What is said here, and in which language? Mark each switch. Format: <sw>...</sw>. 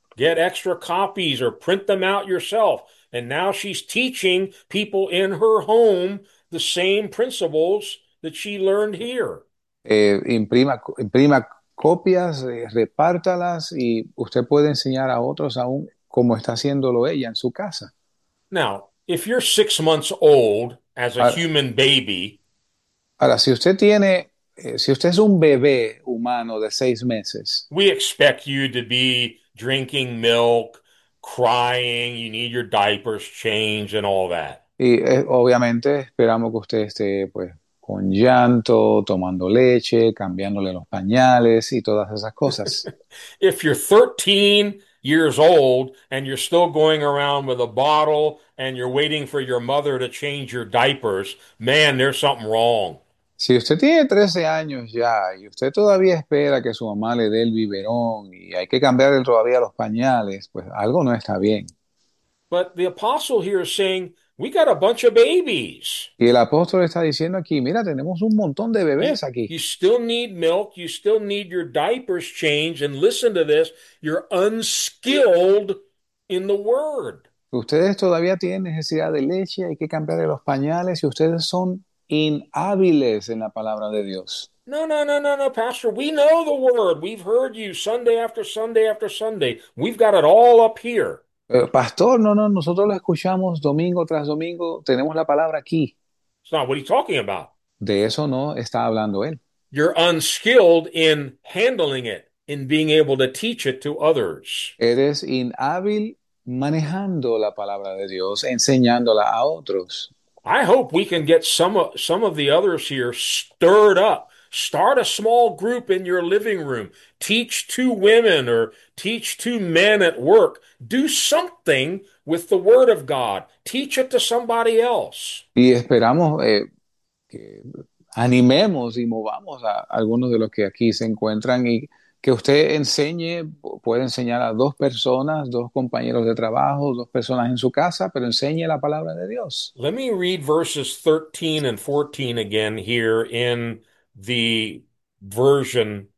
<en>Get extra copies or print them out yourself. And now she's teaching people in her home the same principles that she learned here.</en> <es>Imprima copias, repártalas y usted puede enseñar a otros aún como está haciéndolo ella en su casa.</es> <en>Now, if you're 6 months old as a</en> <es>Ahora,</es> <en>human baby,</en> <es>si usted tiene, si usted es un bebé humano de 6 meses,</es> <en>we expect you to be drinking milk, crying, you need your diapers changed and all that.</en> <es>y obviamente esperamos que usted esté, pues, con llanto, tomando leche, cambiándole los pañales y todas esas cosas.</es> <en>If you're 13 years old and you're still going around with a bottle and you're waiting for your mother to change your diapers, man, there's something wrong.</en> <es>Si usted tiene 13 años ya y usted todavía espera que su mamá le dé el biberón y hay que cambiarle todavía los pañales, pues algo no está bien.</es> <en>But the apostle here is saying, we got a bunch of babies.</en> <es>Y el apóstol está diciendo aquí, mira, tenemos un montón de bebés</es> <en>You</en> <es>aquí.</es> <en>still need milk, you still need your diapers changed, and listen to this, you're unskilled in the word.</en> <es>Ustedes todavía tienen necesidad de leche, hay que cambiarle los pañales y ustedes son inhábiles en la palabra de Dios.</es> <en>No, Pastor, we know the word. We've heard you Sunday after Sunday after Sunday. We've got it all up here.</en> <es>Pastor, no, no, nosotros lo escuchamos domingo tras domingo, tenemos la palabra aquí.</es> <en>Not what he's talking about.</en> <es>De eso no está hablando él.</es> <en>You're unskilled in handling it, in being able to teach it to others.</en> <es>Eres inhábil manejando la palabra de Dios, enseñándola a otros.</es> <en>I hope we can get some of the others here stirred up. Start a small group in your living room. Teach two women or teach two men at work. Do something with the Word of God. Teach it to somebody else.</en> <es>Y esperamos que animemos y movamos a algunos de los que aquí se encuentran y que usted enseñe, puede enseñar a dos personas, dos compañeros de trabajo, dos personas en su casa, pero enseñe la palabra de Dios.</es> <en>Let me read verses 13 and 14 again here in the version.</en>